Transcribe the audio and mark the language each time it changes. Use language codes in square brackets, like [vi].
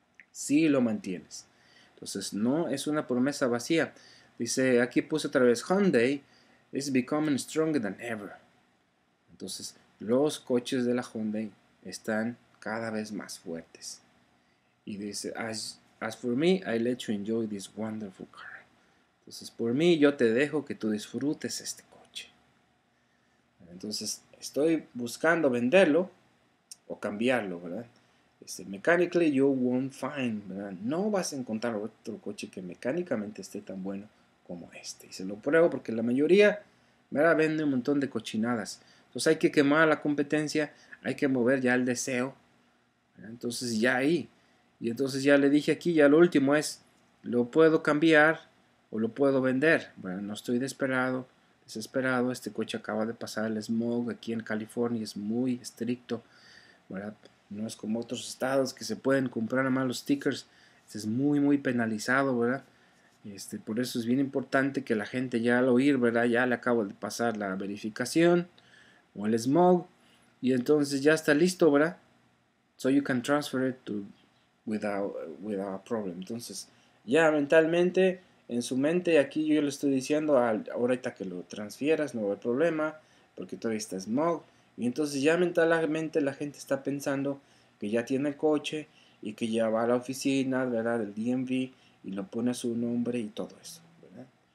[es] Si lo mantienes. Entonces, no es una promesa vacía. Dice, aquí puse otra vez, [en] Hyundai is becoming stronger than ever. [es] Entonces, los coches de la Hyundai están cada vez más fuertes. Y dice, [en] as for me, I let you enjoy this wonderful car. [es] Entonces, por mí, yo te dejo que tú disfrutes este coche. Entonces, estoy buscando venderlo o cambiarlo, ¿verdad? [en] Mechanically, you won't find, [es] ¿verdad? No vas a encontrar otro coche que mecánicamente esté tan bueno como este. Y se lo pruebo porque la mayoría me la vende un montón de cochinadas. Entonces hay que quemar la competencia, hay que mover ya el deseo, ¿verdad? Entonces ya ahí. Y entonces ya le dije aquí, ya lo último es, lo puedo cambiar o lo puedo vender. Bueno, no estoy desesperado. Este coche acaba de pasar el smog aquí en California, es muy estricto, ¿verdad? No es como otros estados que se pueden comprar a malos stickers. Este es muy, muy penalizado, ¿verdad? Por eso es bien importante que la gente ya al oír, ¿verdad?, ya le acabo de pasar la verificación o el smog y entonces ya está listo, ¿verdad? [en] So you can transfer it to without a problem. [es] Entonces, ya mentalmente, en su mente, aquí yo le estoy diciendo, ahorita que lo transfieras, no hay problema, porque todavía está smog. Y entonces ya mentalmente la gente está pensando que ya tiene el coche y que ya va a la oficina, ¿verdad?, del DMV, y lo pone su nombre y todo eso, ¿verdad?